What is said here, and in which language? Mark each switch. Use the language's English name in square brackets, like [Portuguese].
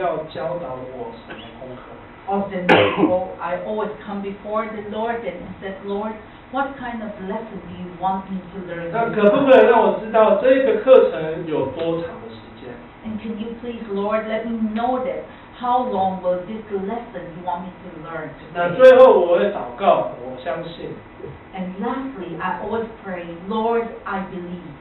[Chinese] 我总是笑着问神说，这一次你要教导我什么功课？ [English] Often I always come before the Lord and said, Lord, what kind of lesson do you want me to learn? [Chinese] 那可不可以让我知道这个课程有多长？ [English] And can you please, Lord, let me know that how long will this lesson you want me to learn today? [Chinese] 那最后我会祷告，我相信。 [English] And lastly, I always pray, Lord, I believe.